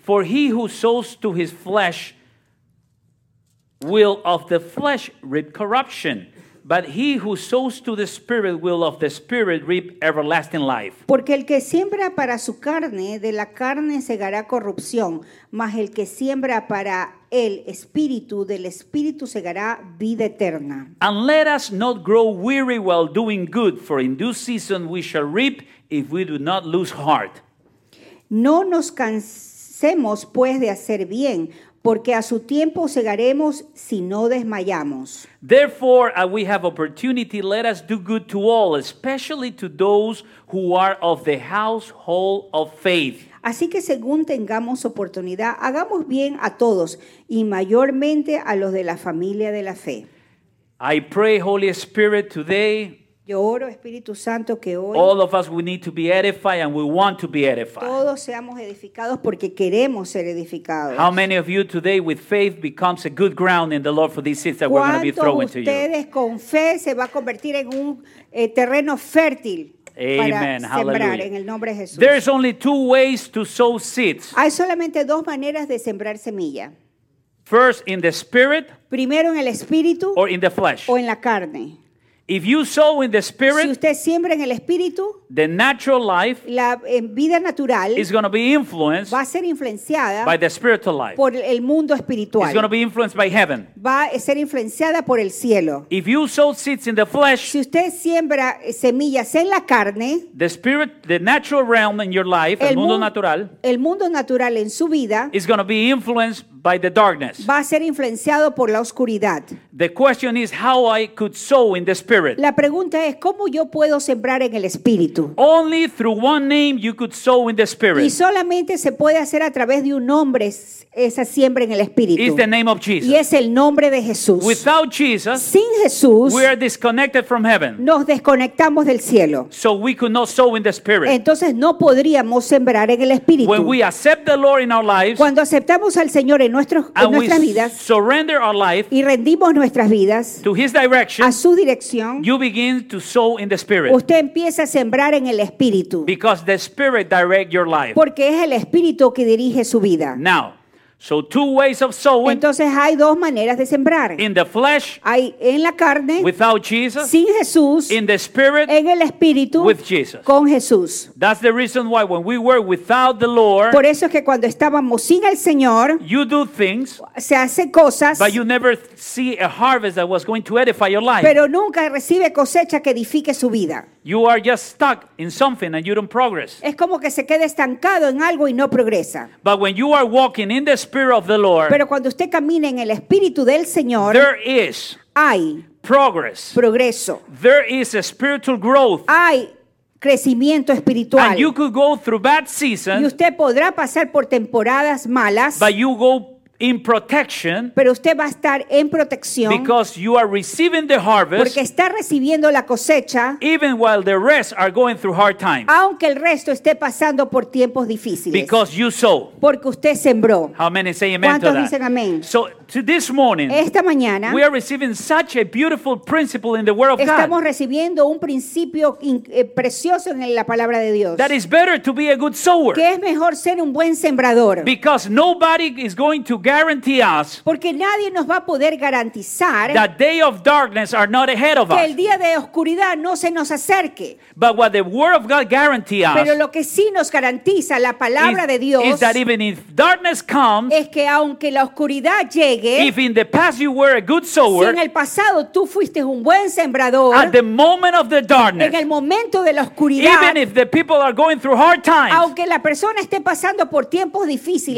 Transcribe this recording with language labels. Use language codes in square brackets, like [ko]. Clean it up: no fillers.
[en] For he who sows to his flesh will of the flesh reap corruption, but he who sows to the Spirit will of the Spirit reap everlasting life. [es] Porque el que siembra para su carne, de la carne segará corrupción, mas el que siembra para el Espíritu, del Espíritu segará vida eterna. [en] And let us not grow weary while doing good, for in due season we shall reap if we do not lose heart. [es] No nos cansemos, pues, de hacer bien, porque a su tiempo segaremos si no desmayamos. [en] Therefore, as we have opportunity, let us do good to all, especially to those who are of the household of faith. [es] Así que según tengamos oportunidad, hagamos bien a todos y mayormente a los de la familia de la fe. [en] I pray, Holy Spirit, today. [es] Yo oro, Espíritu Santo, que hoy [en] all of us we need to be edified and we want to be edified. [es] Todos seamos edificados porque queremos ser edificados. [en] How many of you today with faith becomes a good ground in the Lord for these seeds that we're going to be throwing to you? [es] ¿Cuántos ustedes con fe se va a convertir en un terreno fértil? [en] Amen. [es] Para sembrar, [en] Hallelujah. [es] En el nombre de Jesús. [en] There is only two ways to sow seeds. [es] Hay solamente dos maneras de sembrar semilla. [en] First in the spirit. [es] Primero en el espíritu. [en] Or in the flesh. [es] O en la carne. [en] If you sow in the spirit, [es] si usted siembra en el espíritu, [en] the natural life, [es] la vida natural, [en] is going to be influenced, [es] va a ser influenciada, [en] by the spiritual life, [es] por el mundo espiritual. [en] It's going to be influenced by heaven, [es] va a ser influenciada por el cielo. [en] If you sow seeds in the flesh, [es] si usted siembra semillas en la carne, [en] the spirit, the natural realm in your life, [es] el mundo natural, el mundo natural en su vida, [en] is going to be influenced by the darkness, [es] va a ser influenciado por la oscuridad. [en] The question is how I could sow in the spirit. [es] La pregunta es cómo yo puedo sembrar en el espíritu. [en] Only through one name you could sow in the spirit. [es] Y solamente se puede hacer a través de un nombre esa siembra en el espíritu. [en] It's the name of Jesus. [es] Y es el nombre de Jesús. [en] Without Jesus, [es] sin Jesús, [en] we are disconnected from heaven. [es] Nos desconectamos del cielo. [en] So we could not sow in the spirit. [es] Entonces no podríamos sembrar en el espíritu. [en] When we accept the Lord in our lives, [es] cuando aceptamos al Señor en nuestros [en] and [es] en nuestras vidas, [en] surrender our life, [es] y rendimos nuestras vidas [en] to his direction, [es] a su dirección, [en] you begin to sow in the spirit. [es] Usted empieza a sembrar en el espíritu. [en] Because the spirit direct your life. [es] Porque es el espíritu que dirige su vida. [en] Now, so two ways of sowing. [es] Entonces hay dos maneras de sembrar. [en] In the flesh, [es] hay en la carne, [en] without Jesus, [es] sin Jesús. [en] In the spirit, [es] en el espíritu, [en] with Jesus, [es] con Jesús. [en] That's the reason why when we were without the Lord, [es] por eso es que cuando estábamos sin el Señor, [en] you do things, [es] se hace cosas, [en] but you never see a harvest that was going to edify your life. [es] Pero nunca recibe cosecha que edifique su vida. [en] You are just stuck in something and you don't progress. [es] Es como que se queda estancado en algo y no progresa. [en] But when you are walking in the Spirit of the Lord, [es] pero cuando usted camina en el Espíritu del Señor, [en] there is progress. [es] Progreso. [en] There is a spiritual growth. [es] Hay crecimiento espiritual. [en] And you could go through bad seasons. [es] Y usted podrá pasar por temporadas malas. [en] But you go in protection, [es] pero usted va a estar en protección, [en] because you are receiving the harvest, [es] porque está recibiendo la cosecha, [en] even while the rest are going through hard times, [es] aunque el resto esté pasando por tiempos difíciles, [en] because you sow, [es] porque usted sembró. [en] How many say amen to that? [es] ¿Cuántos dicen amén? [en] So to this morning, [es] esta mañana, [en] we are receiving such a beautiful principle in the Word of [es] estamos [en] God. [es] Estamos recibiendo un principio precioso en la palabra de Dios. [en] That is better to be a good sower. [es] Que es mejor ser un buen sembrador. [en] Because nobody is going to guarantee us, [es] porque nadie nos va a poder garantizar, [en] that day of darkness are not ahead of [es] que [en] us, [es] que el día de oscuridad no se nos acerque. [en] But what the Word of God guarantees us, [es] pero lo que sí nos garantiza la palabra de Dios, [en] is that even if darkness comes, [es] es que aunque la oscuridad llegue, [en] if in the past you were a good sower, [es] si en el pasado tú fuiste un buen sembrador, [en] at the moment of the darkness, [es] en el momento de la oscuridad, [en] even if the people are going through hard times, [es] aunque la persona esté pasando por tiempos difíciles,